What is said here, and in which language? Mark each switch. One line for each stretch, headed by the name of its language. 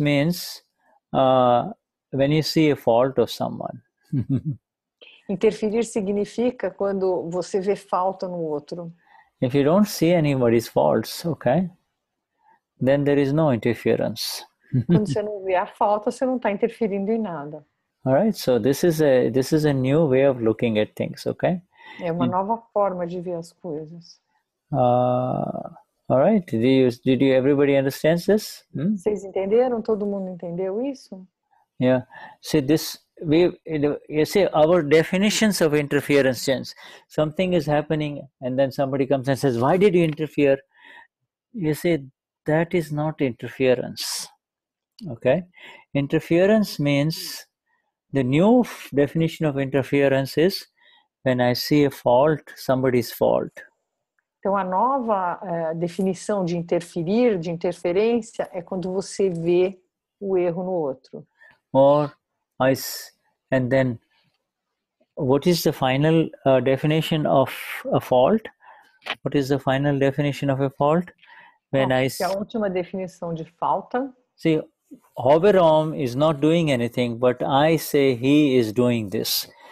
English: means when you see a fault of someone.
Portuguese: Interferir significa quando você vê falta no outro.
English: If you don't see anybody's faults, okay? Then there is no interference.
Portuguese: Quando você não vê a falta, você não está interferindo em nada.
English: All right, so this is a new way of looking at things, okay?
Portuguese: É uma nova forma de ver as coisas.
English: All right. Did you everybody understand this?
Portuguese: Hmm? Vocês entenderam? Todo mundo entendeu isso?
English: Yeah. See this. Our definitions of interference. Something is happening, and then somebody comes and says, "Why did you interfere?" You see, that is not interference. Okay. Interference means the new definition of interference is. When I see a fault, somebody's fault.
Portuguese: Então, a nova definição de interferir, de interferência, é quando você vê o erro no outro.
English: Or, and then, what is the final definition of a fault? What is the final definition of a fault?
Portuguese: When é a última definição de falta.
English: See, Hoverom is not doing anything, but I say he is doing this.